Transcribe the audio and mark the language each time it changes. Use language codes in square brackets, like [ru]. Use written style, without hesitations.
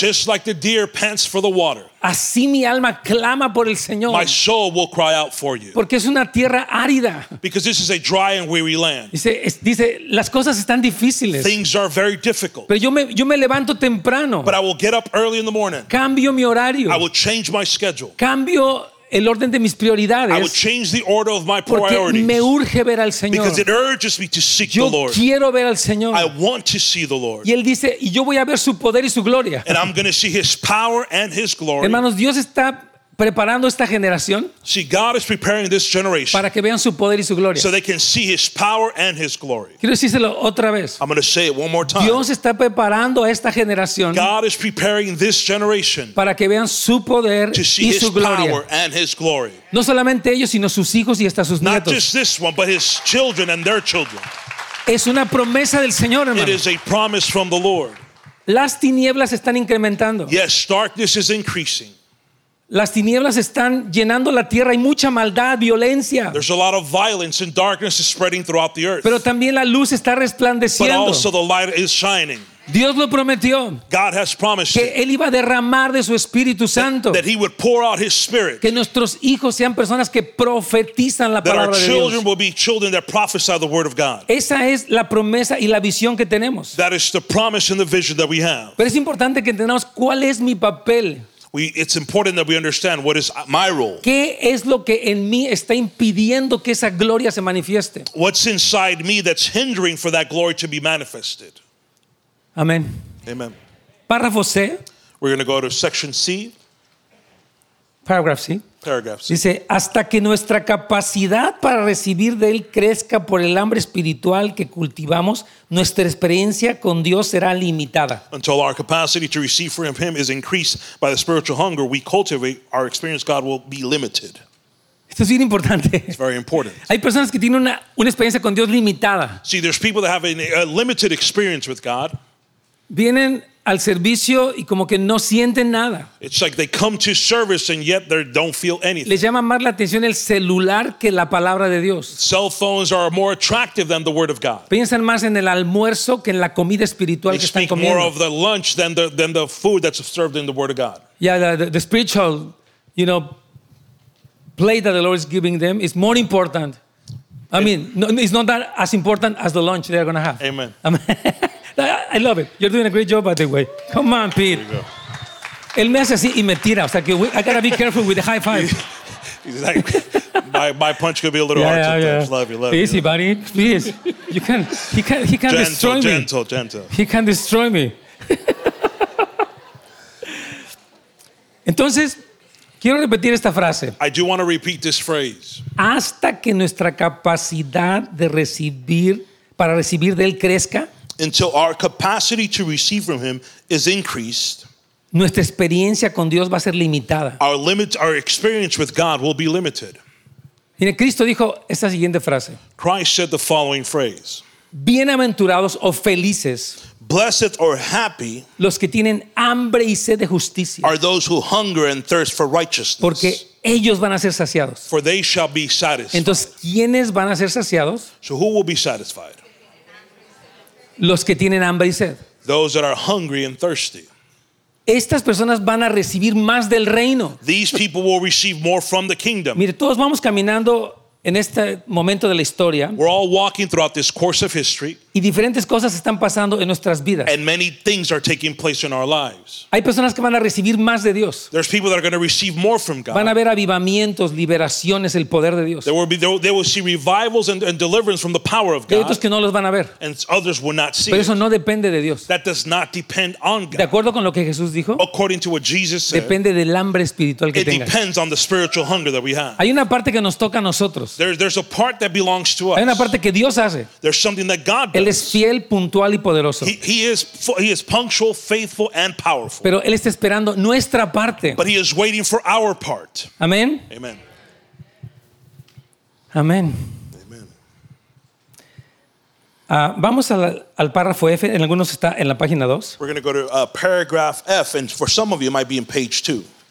[en] Just like the deer pants for the water. [es] Así mi alma clama por el Señor. [en] My soul will cry out for you. [es] Porque es una tierra árida. [en] Because this is a dry and weary land. [es] Dice, las cosas están difíciles. [en] Things are very difficult. [es] Pero yo me levanto temprano. [en] But I will get up early in the morning. [es] Cambio mi horario. [en] I will change my schedule. [es] Cambio el orden de mis prioridades. [en] I will change the order of my priorities. [es] Porque me urge ver al Señor. [en] Because it urges me to seek [es] yo [en] the Lord. [es] Yo quiero ver al Señor. [en] I want to see the Lord. [es] Y él dice, y yo voy a ver su poder y su gloria. [en] And I'm going to see his power and his glory. [es] Hermanos, Dios está preparando esta generación. [en] See, God is preparing this generation. [es] Para que vean su poder y su gloria. [en] So they can see his power and his glory. [es] Quiero decírselo otra vez. [en] I'm going to say it one more time. [es] Dios está preparando a esta generación. [en] God is preparing this generation. [es] Para que vean su poder su gloria. [en] To see his power and his glory. [es] No solamente ellos, sino sus hijos y hasta sus nietos. [en] Not just this one, but his children and their children. [es] Es una promesa del Señor, hermano. [en] It is a promise from the Lord. [es] Las tinieblas están incrementando. [en] Yes, darkness is increasing. [es] Las tinieblas están llenando la tierra. Hay mucha maldad, violencia. [en] There's a lot of violence and darkness is spreading throughout the earth. [es] Pero también la luz está resplandeciendo. [en] But also the light is shining. [es] Dios lo prometió. [en] God has promised [es] que él iba a derramar de su Espíritu Santo. [en] That he would pour out his spirit. [es] Que nuestros hijos sean personas que profetizan la palabra de Dios. [en] That our children will be children that prophesy the word of God. [es] Esa es la promesa y la visión que tenemos. [en] That is the promise and the vision that we have. [es] Pero es importante que entendamos cuál es mi papel. [en] It's important that we understand what is my role. [es] ¿Qué es lo que en mí está impidiendo que esa gloria se manifieste? [en] What's inside me that's hindering for that glory to be manifested? Amen. Amen. [es] Párrafo C. [en] We're going to go to section C. Paragraph C. Paragraph C. [es] Dice, hasta que nuestra capacidad para recibir de él crezca por el hambre espiritual que cultivamos, nuestra experiencia con Dios será limitada. [en] Until our capacity to receive from him is increased by the spiritual hunger we cultivate, our experience God will be limited. [es] Esto es bien importante. [en] It's very important. [es] Hay personas que tienen una experiencia con Dios limitada. [en] See, there's people that have a limited experience with God. [es] Vienen al servicio y como que no sienten nada. [en] It's like they come to service and yet they don't feel anything. [es] Les llama más la atención el celular que la palabra de Dios. [en] Cell phones are more attractive than the word of God. [es] Piensan más en el almuerzo que en la comida espiritual que están comiendo. [en] They speak more of the lunch than the food that's served in the word of God. Yeah, the spiritual, you know, plate that the Lord is giving them is more important. It's not that as important as the lunch they're going to have. Amen. I love it. You're doing a great job, by the way. Come on, Pete. There you go. [es] Él me hace así y me tira. O sea, que [en] I gotta be careful with the high five. He's like, my punch could be a little hard sometimes. Yeah. Love you. Easy, buddy. Please. You can. He can gentle, destroy gentle, me. Gentle. He can destroy me. [es] Entonces, quiero repetir esta frase. [en] I do want to repeat this phrase. [es] Hasta que nuestra capacidad de recibir, para recibir de él crezca, [en] until our capacity to receive from him is increased, [es] nuestra experiencia con Dios va a ser limitada. [en] Our experience with God will be limited. [es] Y Cristo dijo esta siguiente frase. [en] Christ said the following phrase. [es] Bienaventurados o felices, [en] blessed or happy, [es] los que tienen hambre y sed de justicia, [en] are those who hunger and thirst for righteousness, [es] porque ellos van a ser saciados. [en] For they shall be satisfied. [es] Entonces, ¿quiénes van a ser saciados? [en] So who will be satisfied? [es] Los que tienen hambre y sed. [en] Those that are hungry and thirsty. [es] Estas personas van a recibir más del reino. [en] These people will receive more from the kingdom. [es] Mire, todos vamos caminando en este momento de la historia. [en] We're all walking throughout this course of history. [es] Y diferentes cosas están pasando en nuestras vidas. [en] And many things are taking place in our lives. [es] Hay personas que van a recibir más de Dios. [en] There's people that are going to receive more from God. [es] Van a ver avivamientos, liberaciones, el poder de Dios. [en] They will see revivals and deliverance from the power of God. [es] Y otros que no los van a ver. [en] And others will not see. [es] Pero eso no depende de Dios. [en] That does not depend on God. [es] De acuerdo con lo que Jesús dijo. [en] According to what Jesus said. [es] Depende del hambre espiritual que tengas. [en] It depends on the spiritual hunger that we have. [es] Hay una parte que nos toca a nosotros. [en] There's a part that belongs to us. [es] Hay una parte que Dios hace. [en] There's something that God does. [es] Él es fiel, puntual y poderoso. [en] He is punctual, faithful and powerful. [es] Pero él está esperando nuestra parte. [en] But he is waiting for our part. [es] Amén. [en] Amen. [es] Amén. [en] Amen. [es] Vamos al párrafo F, en algunos está en la página 2. [en] We're going to go to paragraph F and for some of you it might be in page 2.